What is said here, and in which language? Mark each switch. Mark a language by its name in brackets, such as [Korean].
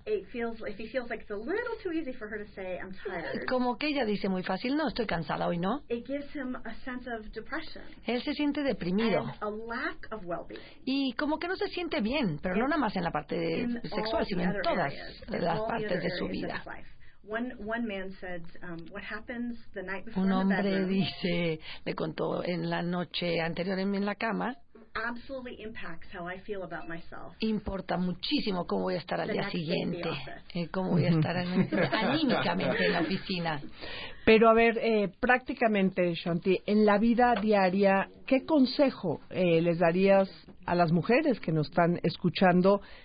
[English] if he feels like it's a little too easy for her to say, I'm tired. [Spanish] Como que ella dice muy fácil, no, estoy cansada hoy, ¿no? [English] It gives him a sense of depression. [Spanish] Él se siente deprimido. [English] And a lack of well-being. [Spanish] Y como que no se siente bien, pero no nada más en la parte sexual, sino en todas las partes de su vida. [English] One man said, what happens the night before [Spanish] un hombre dice, me contó en la noche anterior en la cama, [English] absolutely impacts how I feel about myself. [Spanish] Importa muchísimo cómo voy a estar al día siguiente, cómo voy a estar anímicamente en la oficina. Pero a ver, prácticamente, Shanti, en la vida diaria, ¿qué consejo les darías a las mujeres que nos están escuchando?